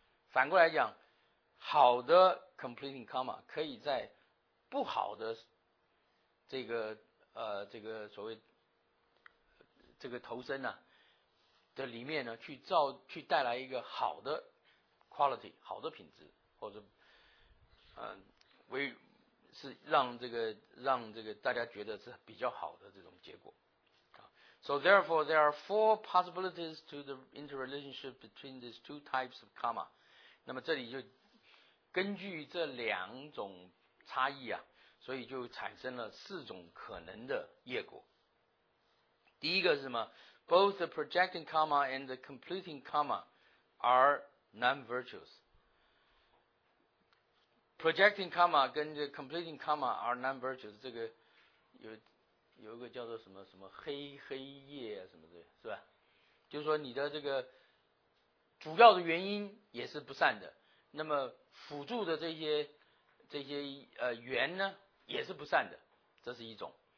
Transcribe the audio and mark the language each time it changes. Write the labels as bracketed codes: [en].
[zh] 反过来讲，好的 completing karma 可以在不好的这个这个所谓这个投生啊的里面呢，去造去带来一个好的 quality 好的品质，或者为是让这个大家觉得是比较好的这种结果。 [en] So therefore there are four possibilities to the interrelationship between these two types of karma. [zh] 那么这里就根据这两种差异啊，所以就产生了四种可能的业果。第一个是什么？ [en] Both the projecting karma and the completing karma are non-virtuous. Projecting karma 跟 the completing karma are non-virtuous. [zh] 这个 有一个叫做什么什么黑夜啊什么的，是吧？就是说你的这个主要的原因也是不善的，那么辅助的这些缘呢也是不善的，这是一种。